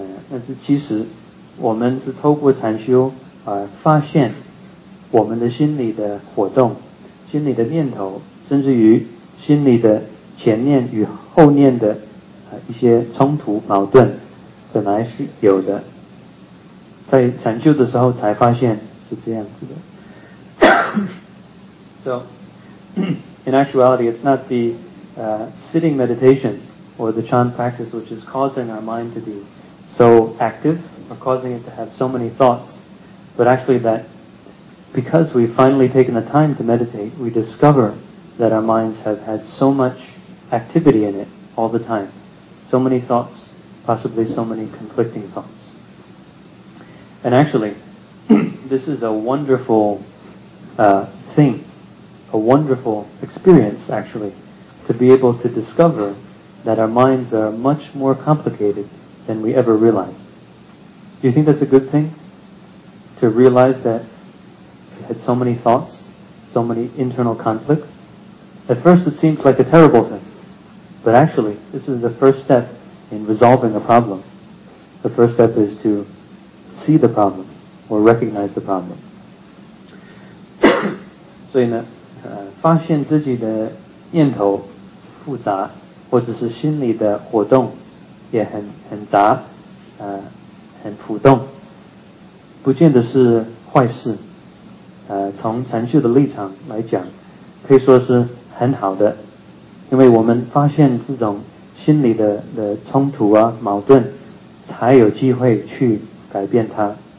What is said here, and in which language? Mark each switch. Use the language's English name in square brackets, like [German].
[Chinese] 但是其实我们是透过禅修, 发现我们的心里的活动, 心里的念头, 甚至于心里的前念与后念的, 一些冲突矛盾, 本来是有的, 在禅修的时候才发现是这样子的。 [English] So, in actuality, it's not the sitting meditation or the chan practice which is causing our mind to be so active or causing it to have so many thoughts, but actually that because we've finally taken the time to meditate, we discover that our minds have had so much activity in it all the time. So many thoughts, possibly so many conflicting thoughts. And actually, this is a wonderful thing, a wonderful experience, actually, to be able to discover that our minds are much more complicated than we ever realized. Do you think that's a good thing? To realize that we had so many thoughts, so many internal conflicts? At first it seems like a terrible thing, but actually, this is the first step in resolving a problem. The first step is to see the problem or recognize the problem. [Chinese] 所以呢, 发现自己的念头复杂, 或者是心里的活动也很杂, 很浮动, 不见得是坏事, 从禅修的立场来讲, 可以说是很好的, 因为我们发现这种心里的冲突啊, 矛盾, 才有机会去 改变它。